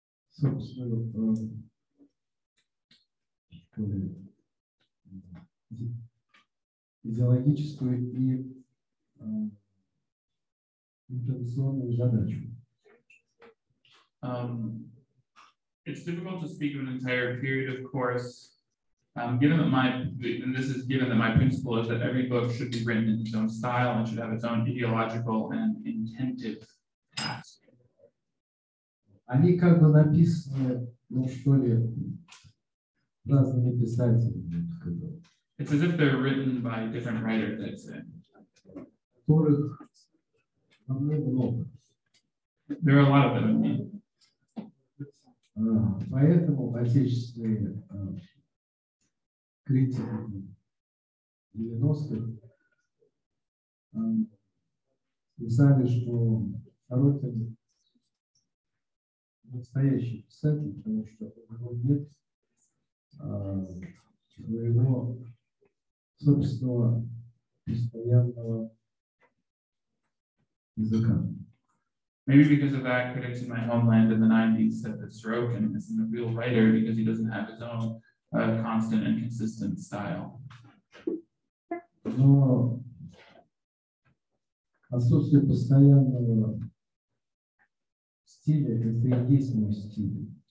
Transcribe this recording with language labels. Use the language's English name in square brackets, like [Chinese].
[Russian] собственную идеологическую и интенсивную задачу. [English] It's difficult to speak of an entire period, of course. Given that my principle is that every book should be written in its own style and should have its own ideological and intentive task. [Russian] Они как бы написаны, ну что ли, разными писателями. [English] It's as if they're written by different writers, I'd say. There are a lot of them. [Russian] Поэтому отечественные критики 90-х писали, что Сорокин настоящий писатель, потому что у него нет своего собственного постоянного языка. [English] Maybe because of that, critics in my homeland in the 90s said that Sorokin isn't a real writer because he doesn't have his own constant and consistent style. [Russian] Но отсутствие постоянного стиля – это и есть мой стиль.